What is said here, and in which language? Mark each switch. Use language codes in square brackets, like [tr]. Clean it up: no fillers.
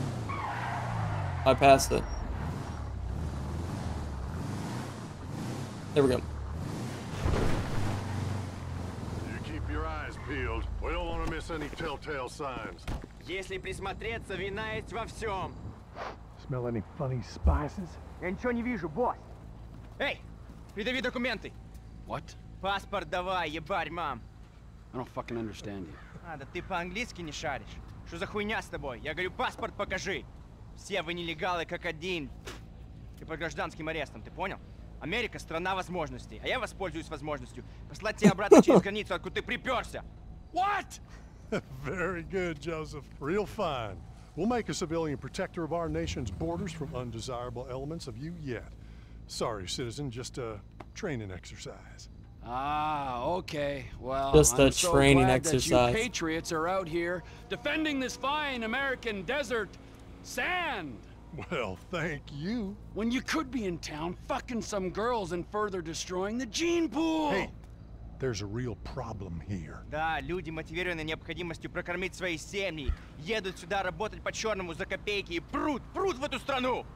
[en] I passed it. There we go. You keep your eyes peeled. We don't want to miss any telltale signs. [ru] Если присмотреться, вина есть во всем. [en] Smell any funny spices? [ru] Я ничего не вижу, босс. Эй, предъяви документы. [en] What? [ru] Паспорт давай, ебарь, мам. [en] I don't fucking understand you. [ru] А, да ты по-английски не шаришь? Что за хуйня с тобой? Я говорю, паспорт покажи. Все вы нелегалы как один. Ты под гражданским арестом, ты понял? Америка — страна возможностей, а я воспользуюсь возможностью послать тебя обратно через границу, откуда ты приперся. [en] What? Very good, Joseph. Real fine. We'll make a civilian protector of our nation's borders from undesirable elements of you yet. Sorry, citizen, just a training exercise. Ah, okay. Well, just a training so glad exercise. That you patriots are out here defending this fine American desert sand. Well, thank you. When you could be in town fucking some girls and further destroying the gene pool. Hey, there's a real problem here. [ru] Да, люди мотивированы необходимостью прокормить свои семьи, едут сюда работать по черному за копейки и прут в эту страну.